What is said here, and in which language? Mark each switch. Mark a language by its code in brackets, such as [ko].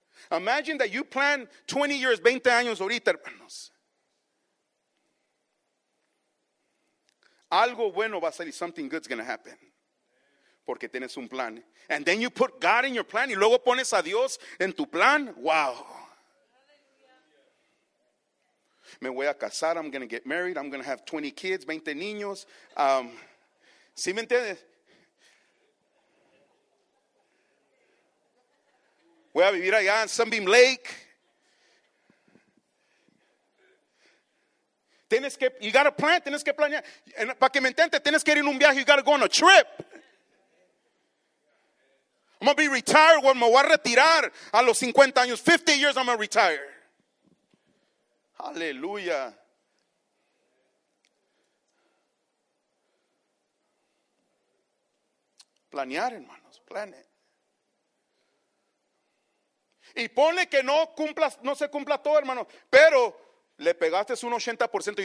[en] Imagine that you plan 20 years, [es] 20 años ahorita, hermanos. Algo bueno va a salir, [en] something good's going to happen. [es] Porque tienes un plan. [en] And then you put God in your plan. [es] Y luego pones a Dios en tu plan. Wow. Me voy a casar. [en] I'm going to get married. I'm going to have 20 kids, [es] 20 niños. ¿Sí me entiendes? Voy a vivir allá en Sunbeam Lake. Tienes que, [en] you got a plan. [es] Tienes que planear. Para que me entiendas, tienes que ir en un viaje. [en] You got to go on a trip. I'm going to be retired when [es] me voy a retirar a los 50 años. [en] 50 years I'm going to retire. [es] Aleluya. Planear, hermanos. [en] Plan it. [es] Y pone que no cumplas, no se cumpla todo, hermano. Pero le pegaste un 80%.